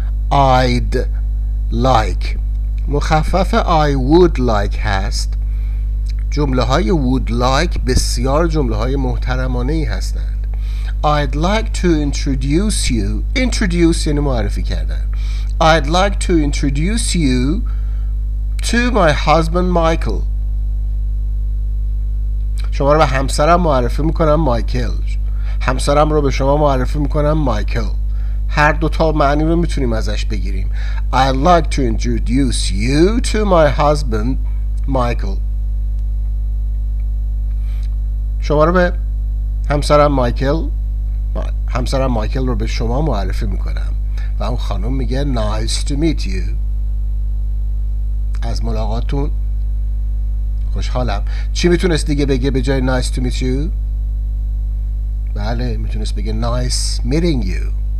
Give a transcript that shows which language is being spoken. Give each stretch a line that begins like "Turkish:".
English: I'd like
Persian: مخفف
English: I would like
Persian: هست. جمله های
English: would like
Persian: بسیار جمله های محترمانه ای هستند.
English: I'd like to introduce you, introduce
Persian: یعنی معرفی کردن.
English: I'd like to introduce you to my husband Michael.
Persian: شما رو به همسرم معرفی میکنم مایکل. همسرم رو به شما معرفی میکنم مایکل. هر دوتا معنی رو میتونیم ازش بگیریم.
English: I'd like to introduce you to my husband Michael.
Persian: شما رو به همسرم مایکل، همسرم مایکل رو به شما معرفی میکنم. و اون خانم میگه
English: nice to meet you،
Persian: از ملاقاتتون خوشحالم. چی میتونست دیگه بگه به جای
English: nice to meet you؟
Persian: بله، میتونست بگه
English: nice meeting you.